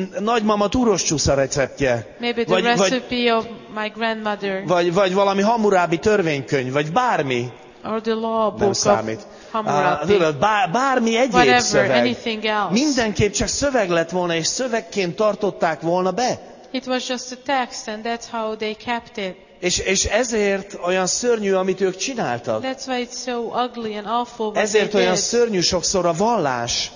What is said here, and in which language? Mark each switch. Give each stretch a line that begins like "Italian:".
Hungarian: Nagymama túros csúsza receptje.
English: Maybe the recipe of my grandmother.
Hungarian: Vagy valami Hammurábi törvénykönyv, vagy bármi.
English: Or the law book
Hungarian: nem számít.
English: Of Hammurabi.
Hungarian: Bármi egyéb
English: whatever,
Hungarian: szöveg.
English: Anything else.
Hungarian: Mindenképp csak szöveg lett volna, és szövegként tartották volna be.
English: It was just a text, and that's how they kept it.
Hungarian: És ezért olyan szörnyű, amit ők csináltak.
English: That's why it's so ugly and awful,
Hungarian: ezért olyan szörnyű sokszor a vallás.